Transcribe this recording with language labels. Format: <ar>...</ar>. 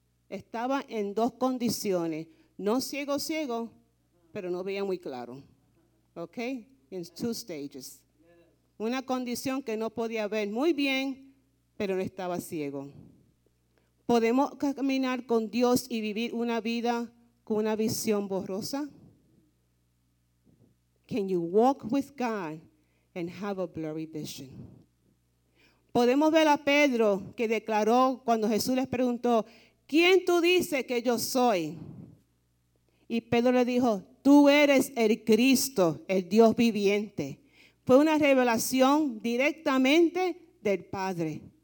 <es>Estaba en dos condiciones, no ciego, ciego, pero no veía muy claro. Okay.</es> <en>In two stages.</en> <es>Una condición que no podía ver muy bien, pero no estaba ciego. ¿Podemos caminar con Dios y vivir una vida con una visión borrosa?</es> <en>Can you walk with God and have a blurry vision?</en> <es>¿Podemos ver a Pedro que declaró cuando Jesús les preguntó, ¿quién tú dices que yo soy? Y Pedro le dijo, tú eres el Cristo, el Dios viviente. Fue una revelación directamente del Padre.</es>